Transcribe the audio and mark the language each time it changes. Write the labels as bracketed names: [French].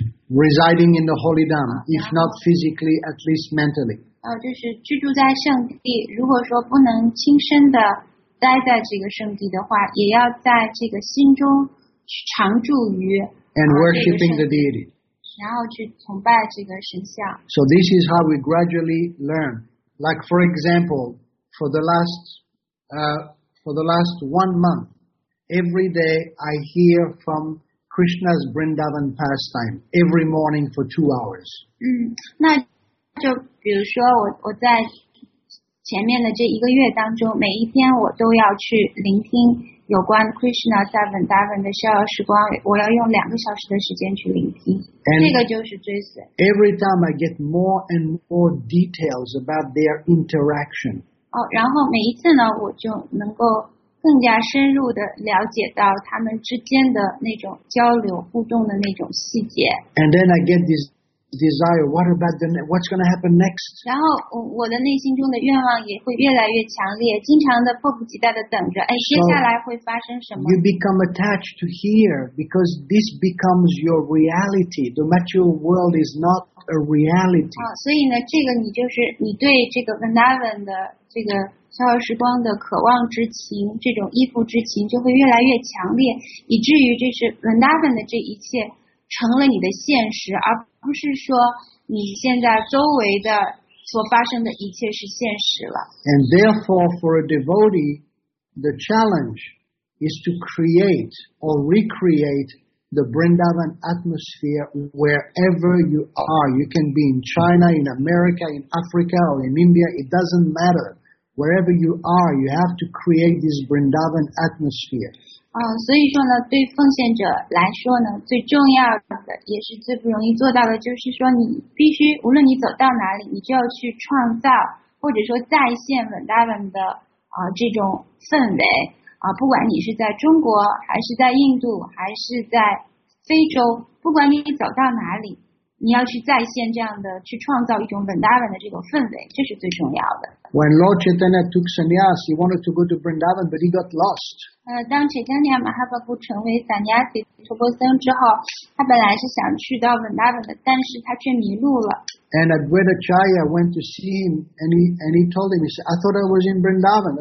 [English] Residing in the holy dham, if not physically, at least mentally. [Chinese] 就是居住在圣地，如果说不能亲身的待在这个圣地的话，也要在这个心中。常住于 [English] and worshipping the deity. [Chinese] 然后去崇拜这个神像。 [English] So this is how we gradually learn. Like for example, for the last one month, every day I hear from Krishna's Vrindavan pastime every morning for 2 hours. [Chinese] 那就比如说我在前面的这一个月当中，每一天我都要去聆听有关 Krishna 在 Vrindavan 的逍遥时光，我要用两个小时的时间去聆听，这个就是追随。 [English] Every time I get more and more details about their interaction. [Chinese] 哦，然后每一次呢，我就能够更加深入的了解到他们之间的那种交流互动的那种细节。 [English] And then I get this. Desire. What about the next? What's going to happen next? [Chinese] 然后我的内心中的愿望也会越来越强烈，经常的迫不及待的等着，哎，接下来会发生什么 [English] ？You become attached to here because this becomes your reality. The material world is not a reality. [Chinese] 啊，所以呢，这个你就是你对这个 Vrindavan 的这个逍遥时光的渴望之情，这种依附之情就会越来越强烈，以至于就是 Vrindavan 的这一切。成了你的现实，而不是说你现在周围的所发生的一切是现实了。 [English] And therefore, for a devotee, the challenge is to create or recreate the Vrindavan atmosphere wherever you are. You can be in China, in America, in Africa, or in India. It doesn't matter. Wherever you are, you have to create this Vrindavan atmosphere. [Chinese] 所以说呢，对奉献者来说呢，最重要的也是最不容易做到的，就是说你必须，无论你走到哪里，你就要去创造或者说再现 Vrindavan 的这种氛围不管你是在中国，还是在印度，还是在非洲，不管你走到哪里，你要去再现这样的，去创造一种 Vrindavan 的这个氛围，这是最重要的。 [English] When Lord Chaitanya took sannyas, he wanted to go to Vrindavan, but he got lost. [Chinese] 当 Chaitanya Mahaprabhu 成为 sannyasi 陀钵僧之后，他本来是想去到 Vrindavan 的，但是他却迷路了。 [English] And Advaitacharya went to see him, and he told him, he said, "I thought I was in Vrindavan."